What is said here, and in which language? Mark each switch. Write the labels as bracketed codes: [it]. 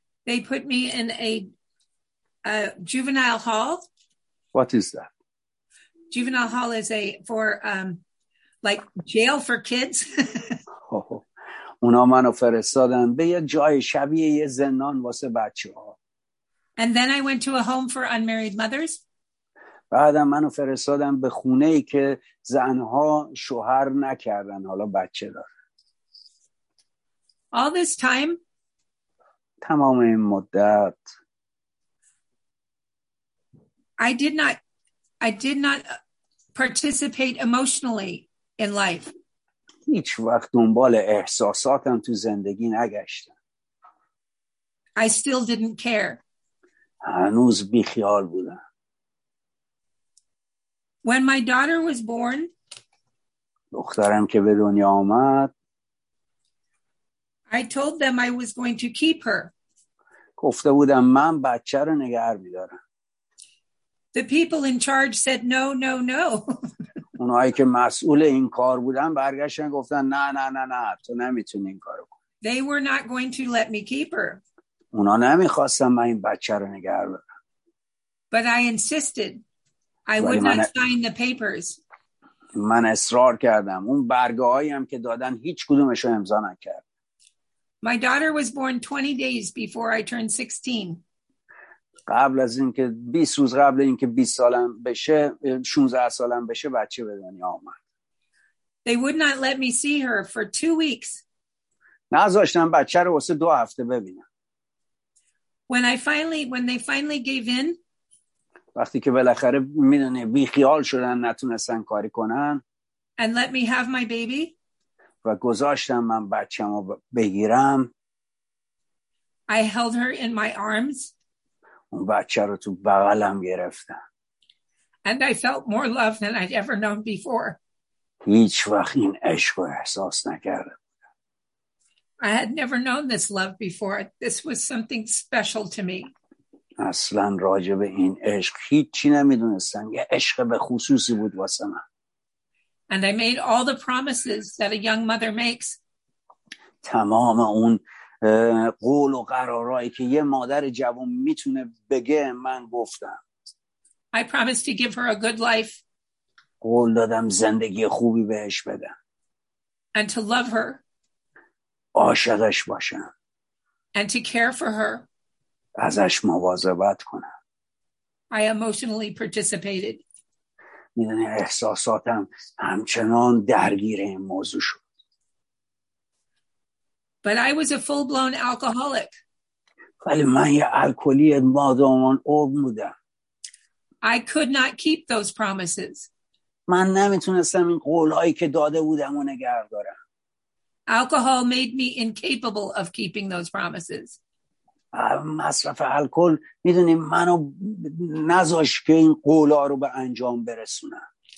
[en] They put me in a juvenile hall. What is that? Juvenile hall is a for like jail for kids. [fa] اونا منو فرستادن به یه جای شبیه یه زندان واسه بچه‌ها. [en] And then I went to a home for unmarried mothers. [fa] بعدم منو فرستادن به خونه‌ای که زن‌ها شوهر نکردن حالا بچه دارن. [en] All this time. [fa] تمام این مدت. [en] I did not participate emotionally in life. [fa] هیچ وقت دنبال احساساتم تو زندگی نگشتم. [en] I still didn't care. [fa] هنوز بیخیال بودم. [en] When my daughter was born. [fa] دخترم که به دنیا آمد. [en] I told them I was going to keep her. [fa] گفته بودم من بچه رو نگه می‌دارم. [en] The people in charge said no, no, no. [fa] اونایی که مسئول این کار بودن برگشتن گفتن نه نه نه نه تو نمیتونی این کارو کنی. [en] They were not going to let me keep her. [fa] اونا نمیخواستن من این بچه رو نگه دارم. [en] But I insisted. I would not sign the papers. [fa] من اصرار کردم. اون برگه‌هایی هم که دادن هیچ کدومشو امضا نکرد. [en] My daughter was born 20 days before I turned 16. [fa] قبل از اینکه 20 روز قبل اینکه 20 سالم بشه 16 سالم بشه بچه به دنیا اومد. [en] They would not let me see her for 2 weeks. [fa] نذاشتن بچه رو واسه 2 هفته ببینم. [en] When they finally gave in. [fa] وقتی که بالاخره میدونه بی خیال شدن نتونستن کاری کنن. [en] And let me have my baby. [fa] و گذاشتن من بچه‌مو بگیرم. [en] I held her in my arms. [fa] اون بچه رو تو بغلم گرفتم. [en] And I felt more love than I'd ever known before. [fa] هیچ وقت این عشق رو احساس نکردم. [en] I had never known this love before. This was something special to me. [fa] اصلا راجع به این عشق هیچی نمیدونستم. یه عشق به خصوصی بود واسه من. [en] And I made all the promises that a young mother makes. [fa] تمام اون قول و قرارایی که یه مادر جوان میتونه بگه من گفتم. [en] I promised to give her a good life. [fa] قول دادم زندگی خوبی بهش بدم. [en] And to love her. [fa] عاشقش باشم. [en] And to care for her. [fa] ازش مواظبت کنم. [en] I emotionally participated. [fa] میدونی احساساتم همچنان درگیر این موضوع شد. [en] But I was a full-blown alcoholic. [fa] ولی من یه الکلی مادامان عوض بودم. [en] I could not keep those promises. [fa] من نمیتونستم این قولهایی که داده بودم و نگردارم. [en] Alcohol made me incapable of keeping those promises. [fa] مصرف الکل میدونی منو نذاشت که این قولها رو به انجام برسونم.